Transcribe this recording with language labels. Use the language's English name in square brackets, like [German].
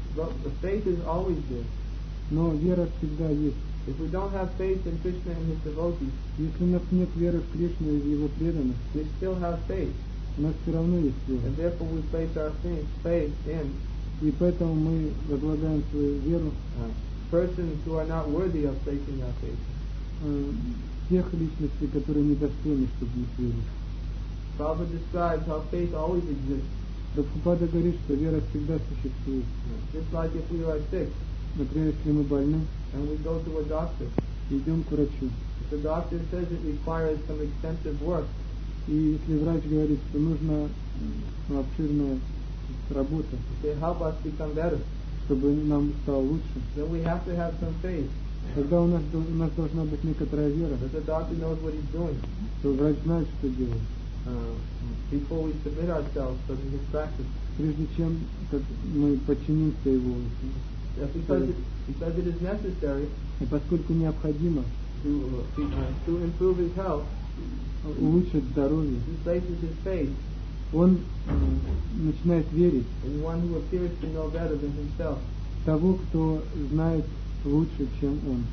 [English] But the faith is always there. [Russian] Но вера всегда есть. [English] If we don't have faith in Krishna and his devotees, [Russian] если у нас нет веры в Кришну и его преданных, [English] we still have faith. [Russian] У нас все равно есть вера. [English] And therefore we place our faith in. [Russian] И поэтому мы возлагаем свою веру [English] persons who are not worthy of placing our faith. [Russian] Тех личностей, которые недостойны, чтобы не верить. [English] Prabhupada describes how faith always exists. [Russian] Прабхупада говорит, что вера всегда существует. [English] Just like if we are sick, [Russian] например, если мы больны, [English] and we go to a doctor, [Russian] идем к врачу. [English] If the doctor says it requires some extensive work, [Russian] и если врач говорит, что нужна обширная работа, [English] they help us become better, [Russian] чтобы нам стало лучше, [English] then we have to have some faith. [Russian] Тогда у нас должна быть некоторая вера, [English] that the doctor knows what he's doing, [Russian] что врач знает, что делает. [English] Before we submit ourselves to his practice, [Russian] прежде чем мы подчинимся его, [English] because it is necessary, [Russian] и поскольку необходимо, [English] to improve his health, [Russian] улучшить здоровье, [English] he places his faith, [Russian] он начинает верить, [English] in one who appears to know better than himself, [Russian] того, кто знает лучше, чем он.